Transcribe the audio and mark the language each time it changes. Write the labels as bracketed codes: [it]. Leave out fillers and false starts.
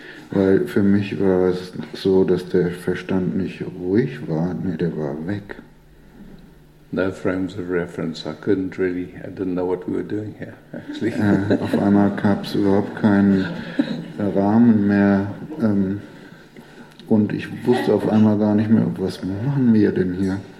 [de] Weil für mich war es so, dass der Verstand nicht ruhig war, nee, der war weg. [en] No frames of reference, I couldn't really, I didn't know what we were doing here, actually. [de] Auf einmal gab es überhaupt keinen Rahmen mehr, und ich wusste auf einmal gar nicht mehr, was machen wir denn hier?